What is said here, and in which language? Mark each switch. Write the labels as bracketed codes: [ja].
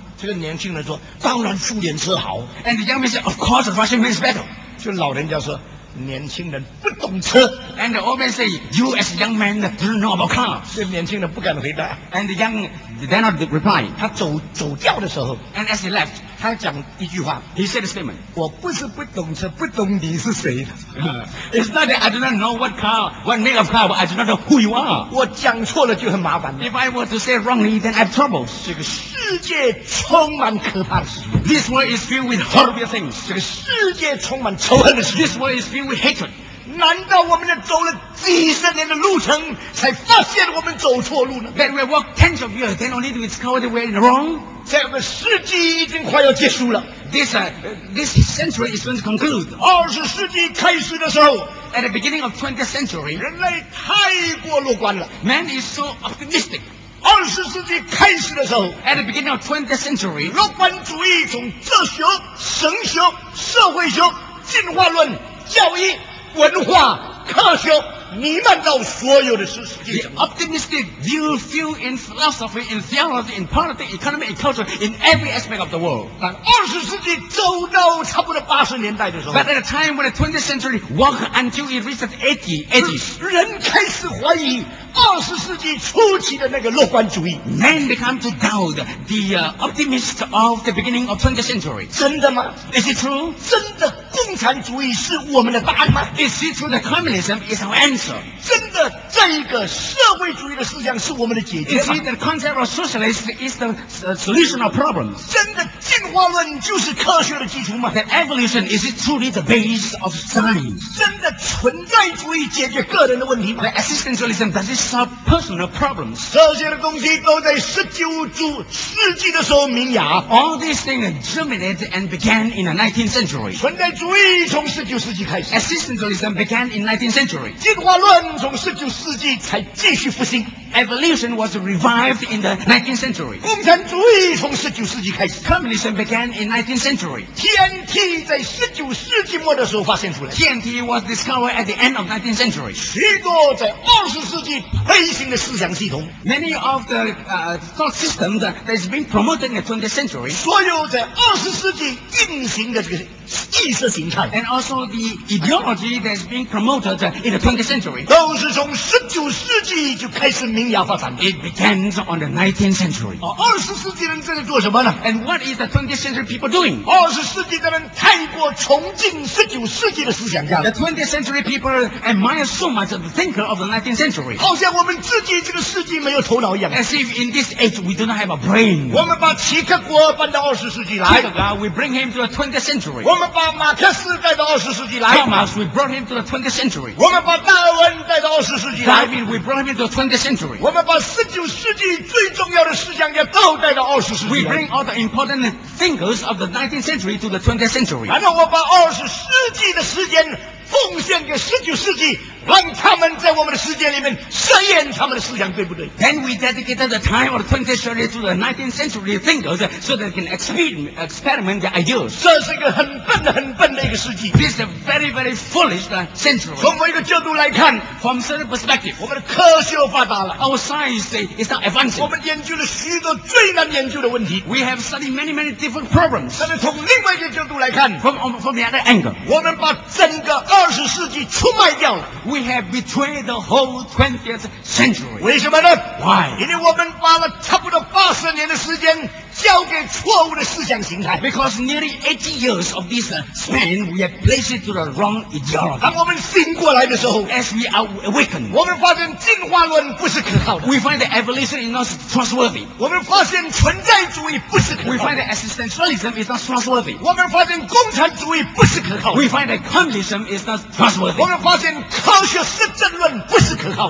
[zh] 这个年轻人说当然苏联车好 [en] ，And the young man said of course the Russian is better. [zh] 就老人家说年轻人不懂车 [en] ，And the old man say you as young man don't know about cars. [zh] 这年轻人不敢回答 [en] ，And the young dare not reply. [zh] 他走掉的时候 [en] ，And as he left. [zh] 他讲一句话 [en] He said a statement [zh] 我不是不懂车不懂你是谁 [en] It's not that I do not know what car What make of car But I do not know who you are [zh] 我讲错了就很麻烦 [en] If I were to say wrongly Then I have troubles [zh] 这个世界充满可怕的事情 [en] This world is filled with horrible things [zh] 这个世界充满仇恨的事情 [en] This world is filled with hatred [zh] 难道我们走了几十年的路程才发现我们走错路呢 [en] That we have walked tens of years Then only to discover that we are wrong [zh] 这个世纪已经快要结束了 [en] This century is going to conclude [zh] 二十世纪开始的时候 [en] At the beginning of 20th century [zh] 人类太过乐观了 [en] Man is so optimistic [zh] 二十世纪开始的时候 [en] At the beginning of 20th century [zh] 乐观主义从哲学、神学、社会学、进化论、教育、文化、科学弥漫到所有的世界。 [en] The optimistic view fill in philosophy, in theology, in politics, economy, in culture, in every aspect of the world. [zh] 当二十世纪走到差不多八十年代的时候 [en] ，But at a time when the 20th century walked until it reached the 80s, [zh] 人开始怀疑二十世纪初期的那个乐观主义。 [en] Men began to doubt the optimist of the beginning of 20th century. [zh] 真的吗 [en] ？Is it true? [zh] 真的共产主义是我们的答案吗 [en] ？Is it true that communism is our answer? [zh] 真的，在一个社会主义的思想是我们的解决。 [en] You see, the concept of socialism is the solution of problems. [zh] 真的进化论就是科学的基础吗？ [en] The evolution is truly the base of science. [zh] 真的存在主义解决个人的问题吗？ [en] The existentialism does it solve personal problems. [zh] 这些的东西都在19世纪的时候萌芽。 [en] All these things germinated and began in the 19th century. [zh] 存在主义从19世纪开始。 [en] Existentialism began in 19th century. [zh] 进化论从19世纪才继续复兴。 [en] Evolution was revived in the 19th century. [zh] 共产主义从19世纪开始。 [en] Communism began in 19th century. [zh] TNT 在19世纪末的时候发现出来。 [en] TNT was discovered at the end of 19th century. [zh] 许多在20世纪推行的思想系统。 [en] Many of the thought systems that is being promoted in the 20th century. [zh] 所有在20世纪运行的这个意识形态。 [en] And also the ideology that is being promoted in the 20th century. [zh] 都是从19世纪就开始。民谣发展 [en] It begins on the 19th century. [zh] 20世纪人正在做什么呢？ [en] And what is the 20th century people doing? [zh] 20世纪的人太过崇敬19世纪的思想家。 [en] The 20th century people admire so much the thinker of the 19th century. [zh] 好像我们自己这个世纪没有头脑一样。 [en] As if in this age we do not have a brain. [zh] 我们把齐克果搬到20世纪来。 [en] We bring him to the 20th century. [zh] 我们把马克思带到20世纪来。 [en] Karl Marx, we brought him to the 20th century. [zh] 我们把达尔文带到20世纪来。 [en] Darwin, we brought him to the 20th century. [zh] 我们把19世纪最重要的思想家都带到20世纪。 [en] We bring all the important thinkers of the 19th century to the 20th century. [zh] 然后我把20世纪的时间奉献给19世纪，让他们在我们的世界里面实验他们的思想，对不对 [en] ？Then we dedicated the time of the 20th century to the 19th century thinkers so that they can experiment their ideas. [zh] 这是一个很笨的、很笨的一个世纪。 [en] This is a very, very foolish century. [zh] 从一个角度来看 [en] ，from certain perspective， [zh] 我们的科学发达了 [en] ，our science is now advancing. [zh] 我们研究了许多最难研究的问题。 [en] We have studied many, many different problems. [zh] 但是从另外一个角度来看 [en] ，from the other angle， [zh] 我们把整个20世纪出卖掉了。 [en] We have betrayed the whole 20th century. [zh] 为什么呢 [en] ？Why？ [zh] 因为我们花了差不多80年的时间交给错误的思想形态。 [en] Because nearly 80 years of this span, we have placed it to the wrong ideology. [zh] 当我们醒过来的时候 [en] ，As we are awakened， [zh] 我们发现进化论不是可靠的。 [en] We find that evolution is not trustworthy. [zh] 我们发现存在主义不是可靠的。 [en] We find that existentialism is not trustworthy. [zh] 我们发现共产主义不是可靠的。 [en] We find that communism is not trustworthy. [zh] 我们发现科学实证论不是可靠。